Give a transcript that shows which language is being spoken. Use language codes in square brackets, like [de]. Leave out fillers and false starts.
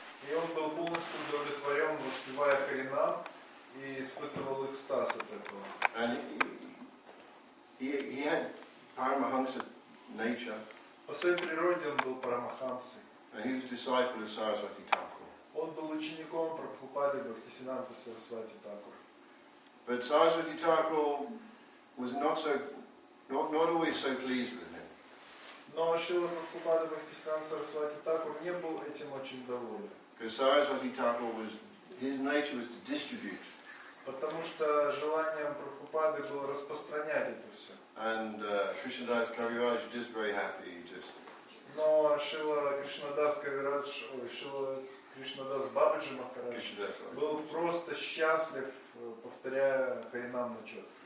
[ru] И он был полностью удовлетворен, воспевая Харинам, и испытывал экстаз от этого. [en] He had Paramahamsa nature. [ru] По своей природе он был Парамахамсой. [en] He was a disciple of Saraswati Thakur. [ru] Он был учеником Прабхупады Бхактисиддханты Сарасвати Такур. [en] But Saraswati Thakur was not always so pleased with him. [ru] Но Шрила Прабхупада Бхактисиддханта Сарасвати Такур не был этим очень доволен. [en] Because Saraswati Thakur was, his nature was to distribute. [ru] Потому что желанием Прабхупады было распространять это все. [en] And Krishnadas Kaviraj was just very happy. Just. [ru] Но Шрила Кришнадас Кавирадж, Шрила Кришнадас Бабаджи Махарадж был просто счастлив, повторяя Харинам на чет.